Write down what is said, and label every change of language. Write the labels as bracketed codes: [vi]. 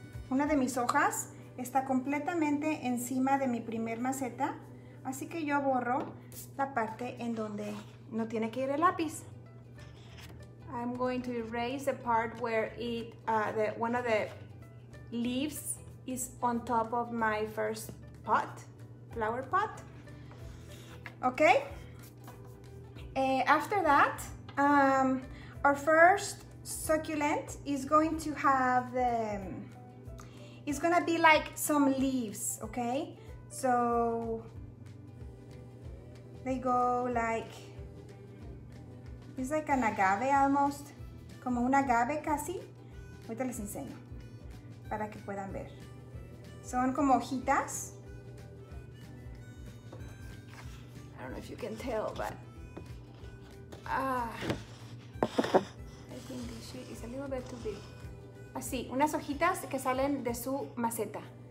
[es] Una de mis hojas está completamente encima de mi primer maceta, así que yo borro la parte en donde no tiene que ir el lápiz. [en] I'm going to erase the part where one of the leaves is on top of my first pot, flower pot. Okay. After that, our first succulent is going to have the, it's gonna be like some leaves, okay? So they go like, it's like an agave almost, [es] como un agave casi. Ahorita les enseño para que puedan ver. Son como hojitas. [en] I don't know if you can tell, but it's a little bit too big. [es] Así, unas hojitas que salen de su maceta.